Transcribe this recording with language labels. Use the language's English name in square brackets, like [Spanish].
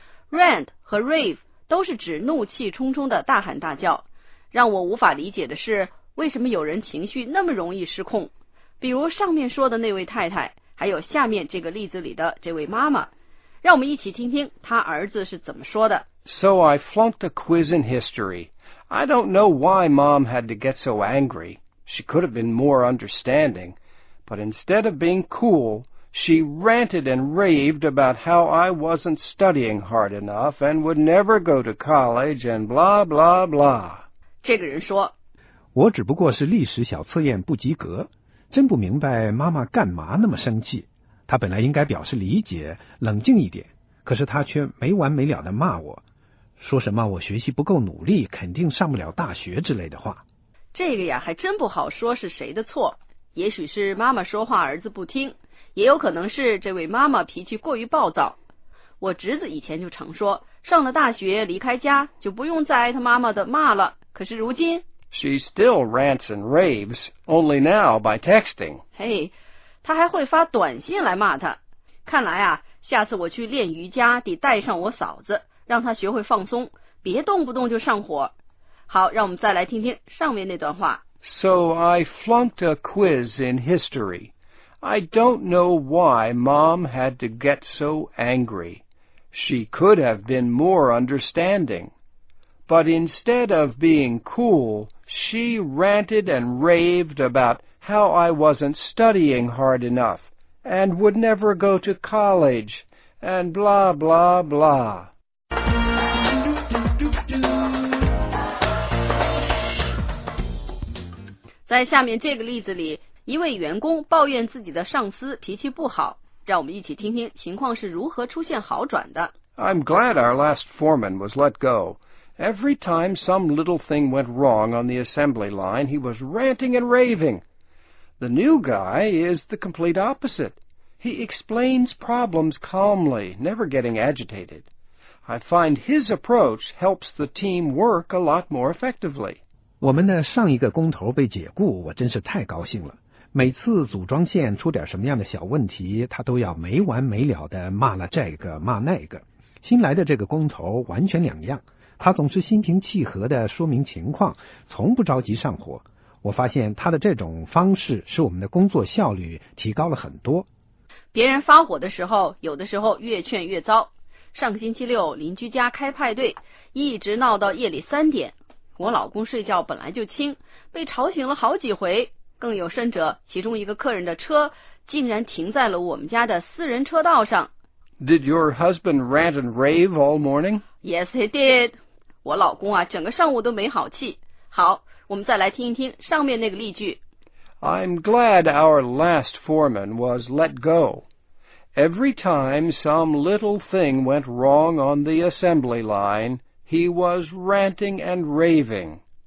[Chinese] Rant 和 rave 都是指怒气冲冲的大喊大叫。让我无法理解的是，为什么有人情绪那么容易失控？比如上面说的那位太太还有下面这个例子里的这位妈妈，让我们一起听听她儿子是怎么说的。 [English] So I flunked a quiz in history. I don't know why Mom had to get so angry. She could have been more understanding. But instead of being cool, she ranted and raved about how I wasn't studying hard enough and would never go to college and blah, blah, blah. [Chinese] 这个人说，我只不过是历史小测验不及格，真不明白妈妈干嘛那么生气。她本来应该表示理解，冷静一点，可是她却没完没了地骂我，说什么我学习不够努力，肯定上不了大学之类的话。这个呀，还真不好说是谁的错，也许是妈妈说话儿子不听，也有可能是这位妈妈脾气过于暴躁。我侄子以前就常说，上了大学离开家，就不用再挨他妈妈的骂了。可是如今 [English] She still rants and raves, only now by texting. [Chinese] 嘿，她还会发短信来骂她。看来啊，下次我去练瑜伽得带上我嫂子，让她学会放松，别动不动就上火。好，让我们再来听听上面那段话。 [English] So I flunked a quiz in history. I don't know why Mom had to get so angry. She could have been more understanding. But instead of being cool, she ranted and raved about how I wasn't studying hard enough and would never go to college and blah, blah, blah. [Chinese] 在下面这个例子里，一位员工抱怨自己的上司脾气不好，让我们一起听听情况是如何出现好转的。 [English] I'm glad our last foreman was let go. Every time some little thing went wrong on the assembly line, he was ranting and raving. The new guy is the complete opposite. He explains problems calmly, never getting agitated. I find his approach helps the team work a lot more effectively. [Chinese] 我们的上一个工头被解雇，我真是太高兴了。每次组装线出点什么样的小问题，他都要没完没了地骂了这个，骂那个。新来的这个工头完全两样。他总是心平气和地说明情况，从不着急上火。我发现他的这种方式使我们的工作效率提高了很多。别人发火的时候，有的时候越劝越糟。上星期六邻居家开派对，一直闹到夜里三点。我老公睡觉本来就轻，被吵醒了好几回。更有甚者，其中一个客人的车竟然停在了我们家的私人车道上。 [English] Did your husband rant and rave all morning? Yes, he did. [Chinese] 我老公啊，整个上午都没好气。好，我们再来听一听上面那个例句。 [English] I'm glad our last foreman was let go. Every time some little thing went wrong on the assembly line, he was ranting and raving.